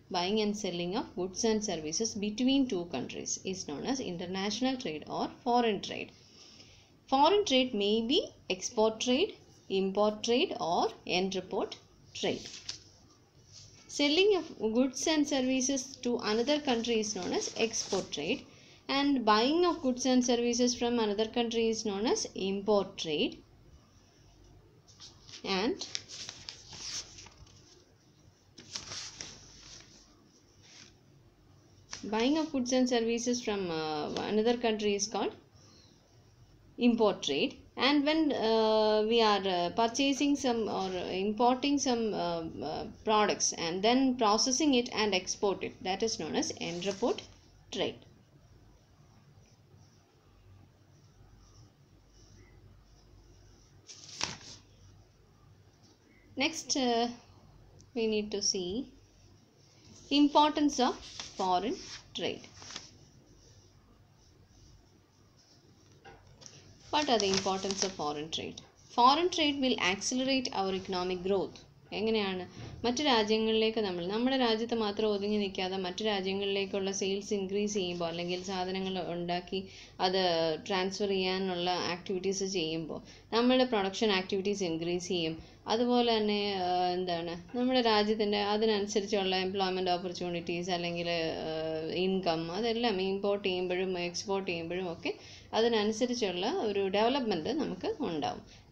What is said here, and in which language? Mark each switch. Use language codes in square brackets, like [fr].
[en] Buying and selling of goods and services between two countries is known as international trade or foreign trade. Foreign trade may be export trade, import trade or entrepot trade. Selling of goods and services to another country is known as export trade. And buying of goods and services from another country is known as import trade. And buying of goods and services from another country is called import trade. And when we are purchasing some or importing some products and then processing it and export it, that is known as entreport trade. Next, we need to see importance of foreign trade. What are the importance of foreign trade? Foreign trade will accelerate our economic growth. [ml] എങ്ങനെയാണ്? മറ്റ് രാജ്യങ്ങളിലേക്ക് നമ്മൾ നമ്മുടെ രാജ്യത്ത് മാത്രം ഒതുങ്ങി നിൽക്കാതെ മറ്റ് രാജ്യങ്ങളിലേക്കുള്ള സെയിൽസ് ഇൻക്രീസ് ചെയ്യുമ്പോൾ, അല്ലെങ്കിൽ സാധനങ്ങൾ ഉണ്ടാക്കി അത് ട്രാൻസ്ഫർ ചെയ്യാനുള്ള ആക്ടിവിറ്റീസ് ചെയ്യുമ്പോൾ നമ്മുടെ പ്രൊഡക്ഷൻ ആക്ടിവിറ്റീസ് ഇൻക്രീസ് ചെയ്യും. അതുപോലെ തന്നെ എന്താണ് നമ്മുടെ രാജ്യത്തിൻ്റെ അതിനനുസരിച്ചുള്ള എംപ്ലോയ്മെൻറ്റ് ഓപ്പർച്യൂണിറ്റീസ് അല്ലെങ്കിൽ ഇൻകം, അതെല്ലാം ഇമ്പോർട്ട് ചെയ്യുമ്പോഴും എക്സ്പോർട്ട് ചെയ്യുമ്പോഴും ഒക്കെ അതിനനുസരിച്ചുള്ള ഒരു ഡെവലപ്മെൻറ്റ് നമുക്ക് ഉണ്ടാവും.